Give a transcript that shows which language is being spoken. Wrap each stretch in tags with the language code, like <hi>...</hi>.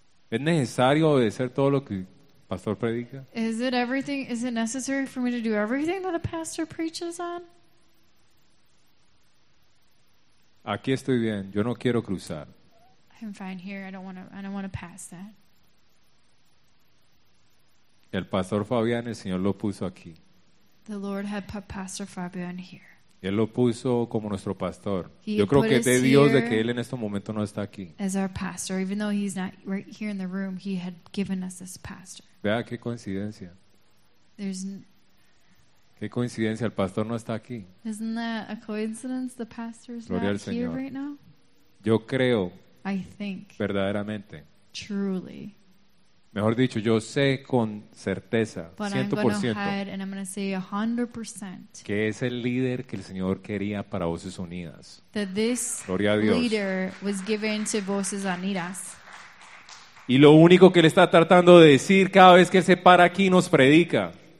<es>¿Es necesario obedecer todo lo que el pastor predica?</es> <en>Is it necessary for me to do everything that the pastor preaches on?</en> <es>Aquí estoy bien. Yo no quiero cruzar.</es> <en>I'm fine here. I don't want to pass that.</en> <es>El pastor Fabián, el Señor lo puso aquí.</es> <en>The Lord had put Pastor Fabián here.</en> <es>Él lo puso como nuestro pastor. Yo creo que es de Dios de que él en este momento no está aquí.</es> <en>As our pastor, even though he's not right here in the room, he had given us this pastor.</en> <es>Vea qué coincidencia. Qué coincidencia, el pastor no está aquí.</es> <en>Isn't that a coincidence? The pastor's</en> <es>Gloria</es> <en>not here right now.</en> <es>Yo creo.</es> <en>I think.</en> <es>Verdaderamente.</es> <en>Truly.</en> <es>Mejor dicho, yo sé con certeza, 100%, que es el líder que el Señor quería para Voces Unidas.</es> <en>That this</en> <es>Gloria a Dios.</es> <en>Leader was given to Voces Unidas.</en> <es>Y lo único que él está tratando de decir cada vez que él se para aquí y nos predica.</es>